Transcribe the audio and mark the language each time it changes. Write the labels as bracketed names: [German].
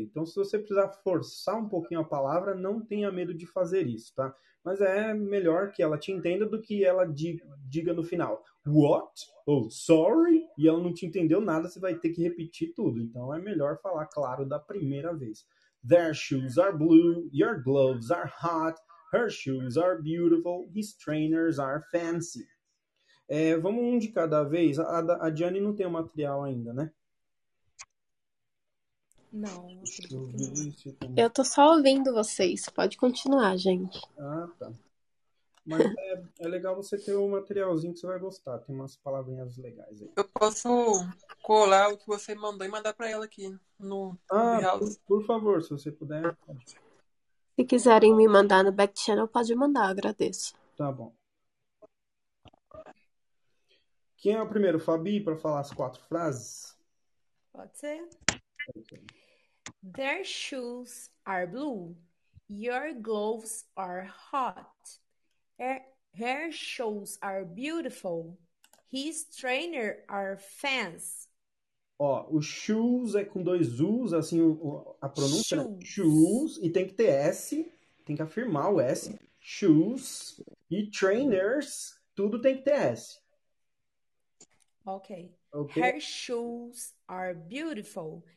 [Portuguese] Então, se você precisar forçar um pouquinho a palavra, não tenha medo de fazer isso, tá? Mas é melhor que ela te entenda do que ela diga no final. What? [English] Oh, sorry? [Portuguese] E ela não te entendeu nada, você vai ter que repetir tudo. Então, é melhor falar claro da primeira vez. [English] Their shoes are blue, your gloves are hot, her shoes are beautiful, his trainers are fancy. [Portuguese] É, vamos um de cada vez. A Gianni não tem o material ainda, né? Não. Eu tô só ouvindo vocês. Pode continuar, gente. Ah, tá. Mas é legal você ter um materialzinho que você vai gostar. Tem umas palavrinhas legais aí. Eu posso colar o que você mandou e mandar pra ela aqui no Por favor, se você puder. Se quiserem me mandar no Back Channel, pode mandar, eu agradeço. Tá bom. Quem é o primeiro? Fabi, para falar as quatro frases? Pode ser. [English] Their shoes are blue. Your gloves are hot. Her shoes are beautiful. His trainer are fans. [Portuguese] Ó, o shoes é com dois U's, assim, a pronúncia shoes. É shoes. E tem que ter S, tem que afirmar o S. Shoes e trainers, tudo tem que ter S. [English] Okay. Her shoes are beautiful.